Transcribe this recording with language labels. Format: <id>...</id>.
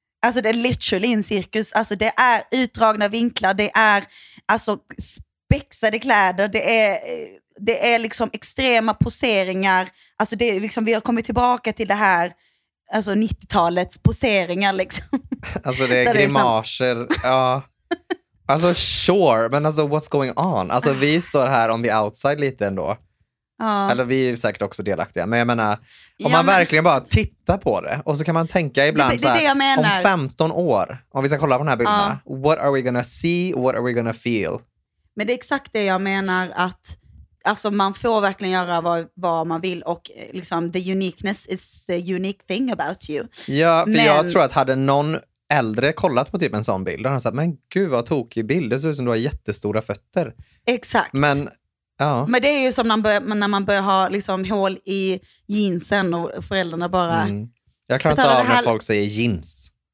<sv>Alltså det är literally en cirkus. Alltså det är utdragna vinklar, det är alltså spexade kläder, det är liksom extrema poseringar. Alltså det är liksom, vi har kommit tillbaka till det här, alltså 90-talets poseringar liksom. Alltså det är grimaser. Ja.</sv> <en>Alltså sure,</en> <sv>men alltså</sv> <en>what's going on?</en> <sv>Alltså vi står här</sv> <en>on the outside</en> <sv>lite ändå. Ja. Eller vi är säkert också delaktiga. Men jag menar, om man verkligen bara tittar på det. Och så kan man tänka ibland det så här, om 15 år, om vi ska kolla på den här bilden. Ja.</sv> <en>What are we gonna see? What are we gonna feel?</en> <sv>Men det är exakt det jag menar, att alltså man får verkligen göra vad man vill. Och liksom,</sv> <en>the uniqueness is the unique thing about you.</en> <sv>Ja, för men... jag tror att hade någon äldre kollat på typ en sån bild, då hade han sagt, men gud vad tokig bild. Det ser ut som du har jättestora fötter. Exakt. Men... ja. Men det är ju som när man börjar ha liksom hål i jeansen och föräldrarna bara... Mm. Jag klarar inte av när folk säger jeans.</sv>